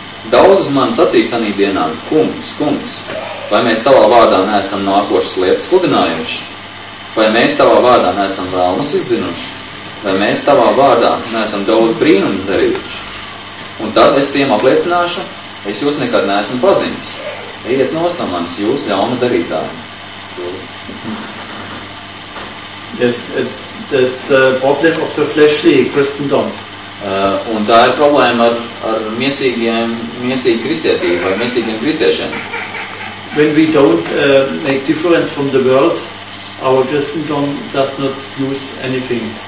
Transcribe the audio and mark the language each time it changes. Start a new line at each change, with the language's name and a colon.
Latvian: Daudz uz mani sacīst anī dienā, kungs, kungs, vai mēs tavā vārdā neesam nākošas lietas sludinājuši, vai mēs tavā vārdā neesam vēlnas izdzinuši, vai mēs tavā vārdā neesam daudz brīnumus darījuši. Un tad es tiem apliecināšu, es jūs nekad neesmu pazinis. Ejiet nost no manis jūs ļauna darītāji.
English: Yes, that's the problem of the fleshly Christendom.
Latvian: Un tā ir problēma ar miesīgu kristietību, ar miesīgiem kristiešiem.
English: When we don't make difference from the world, our Christendom does not use anything.